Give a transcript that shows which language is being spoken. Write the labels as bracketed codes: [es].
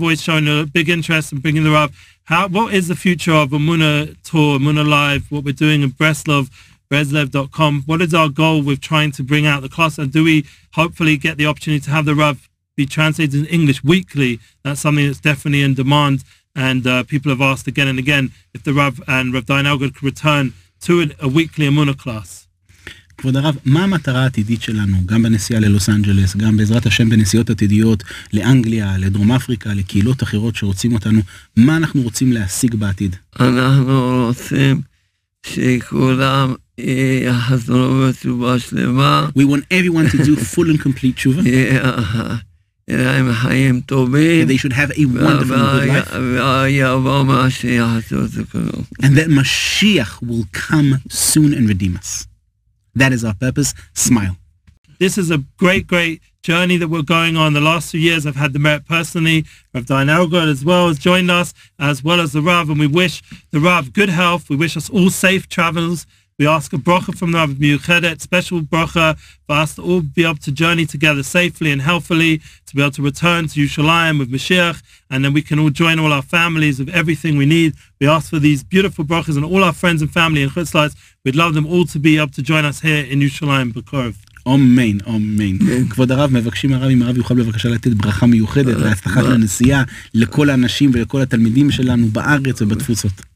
[en] We've always shown a big interest in bringing the Rav. What is the future of Emunah Tour, Emunah Live, what we're doing in Breslov, Breslev.com? What is our goal with trying to bring out the class? And do we hopefully get the opportunity to have the Rav be translated in English weekly? That's something that's definitely in demand, and people have asked again and again if the Rav and Rav Dayan Elgod could return to a weekly Emunah class. [he] כבוד הרב, מה המטרה העתידית שלנו, גם בנסיעה ללוס אנג'לס, גם בעזרת השם בנסיעות עתידיות לאנגליה, לדרום אפריקה, לקהילות אחרות שרוצים אותנו, מה אנחנו רוצים להשיג בעתיד? אנחנו רוצים שכולם יחזרו בתשובה שלמה. [en] We want everyone to do full and complete תשובה. [he] להם חיים טובים. [en] And they should have a wonderful good life. And that Mashiach will come soon and redeem us. That is our purpose. Smile. This is a great, great journey that we're going on. The last 2 years, I've had the merit personally of Dayan Elgod as well has joined us, as well as the Rav. And we wish the Rav good health. We wish us all safe travels. We ask a bracha from the Rav Miuchedet, special bracha for us to all be able to journey together safely and healthily, to be able to return to Yerushalayim with Mashiach, and then we can all join all our families with everything we need. We ask for these beautiful brachas and all our friends and family in Chutz La'aretz. We'd love them all to be able to join us here in Yerushalayim Bekorov. [he] אמן, אמן. כבוד הרב, מבקשים הרב, אם הרב יוכל בבקשה לתת ברכה מיוחדת להצלחת הנסיעה לכל האנשים ולכל התלמידים שלנו בארץ ובתפוצות.